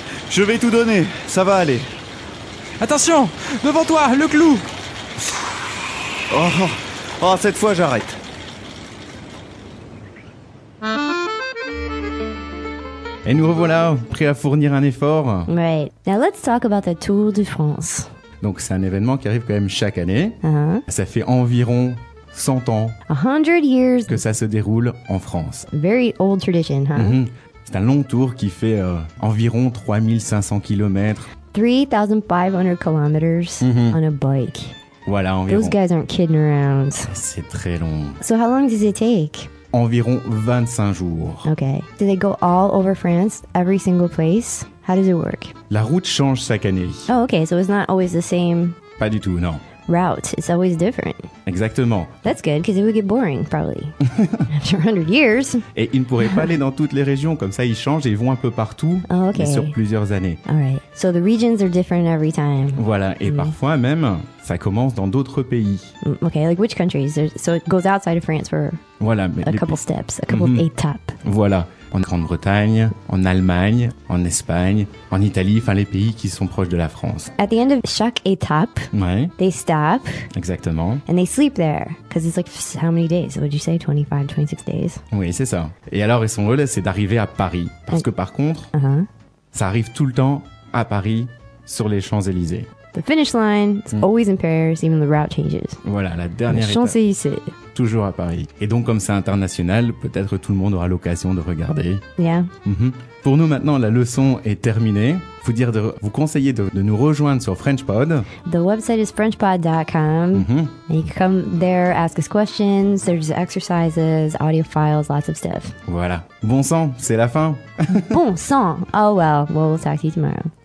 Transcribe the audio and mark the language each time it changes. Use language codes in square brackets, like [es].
[fr] Je vais tout donner, ça va aller. Attention, devant toi, le clou. Oh, cette fois j'arrête. Et nous revoilà, prêts à fournir un effort. [en] Right, now let's talk about the Tour de France. [fr] Donc, c'est un événement qui arrive quand même chaque année. Uh-huh. Ça fait environ 100 ans [en] 100 years. [fr] Que ça se déroule en France. [en] Very old tradition, huh? Mm-hmm. [fr] C'est un long tour qui fait environ 3500 kilomètres. [en] 3500 kilometers mm-hmm. on a bike. [fr] Voilà, environ. [en] Those guys aren't kidding around. [fr] C'est très long. [en] So how long does it take? [fr] Environ 25 jours. [en] Okay. Do they go all over France, every single place? How does it work? [fr] La route change chaque année. [en] Oh, okay, so it's not always the same... [fr] Pas du tout, non. [en] ...route, it's always different. [fr] Exactement. [en] That's good, because it would get boring, probably. After 100 years. [fr] Et ils ne pourraient pas aller dans toutes les régions, comme ça ils changent et ils vont un peu partout, [en] oh, okay. [fr] Mais sur plusieurs années. [en] All right, so the regions are different every time. [fr] Voilà, et parfois même, ça commence dans d'autres pays. [en] Okay, like which countries? So it goes outside of France for [fr] voilà, [en] a couple steps, a couple étapes. [fr] Voilà. en Grande-Bretagne, en Allemagne, en Espagne, en Italie, enfin les pays qui sont proches de la France. [en] At the end of [fr] chaque étape, ouais. [en] They stop. [fr] Exactement. [en] And they sleep there. Because it's like, how many days? What did you say? 25, 26 days? [fr] Oui, c'est ça. Et alors, son rôle, c'est d'arriver à Paris. Parce que par contre, ça arrive tout le temps à Paris, sur les Champs-Élysées. [en] The finish line is always in Paris, even the route changes. [fr] Voilà, la dernière étape. Champs-Élysées. Toujours à Paris. Et donc, comme c'est international, peut-être tout le monde aura l'occasion de regarder. [en] Yeah. Mm-hmm. [fr] Pour nous, maintenant, la leçon est terminée. Vous dire de vous conseiller de nous rejoindre sur FrenchPod. [en] The website is FrenchPod.com. Mm-hmm. You can come there, ask us questions. There's exercises, audio files, lots of stuff. [fr] Voilà. Bon sang, c'est la fin. Bon sang. [en] Oh, well, we'll talk to you tomorrow.